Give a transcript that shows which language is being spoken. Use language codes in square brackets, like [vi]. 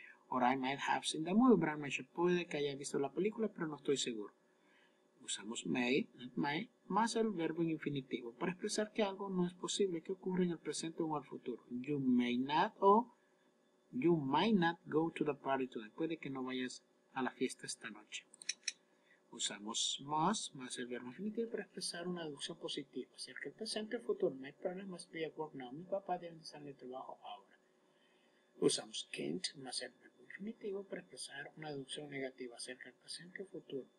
[en] Or I might have seen the movie, but I'm not sure. [es] Puede que haya visto la película, pero no estoy seguro. Usamos may, not might, más el verbo en infinitivo para expresar que algo no es posible, que ocurre en el presente o en el futuro. [en] You may not, o you might not go to the party today. [es] Puede que no vayas a la fiesta esta noche. Usamos must, más el verbo infinitivo para expresar una deducción positiva. Acerca del presente o futuro. [en] My parents must be at work now. [es] Mi papá debe estar en el trabajo ahora. Usamos can't, más el verbo definitivo para expresar una deducción negativa acerca del presente o futuro.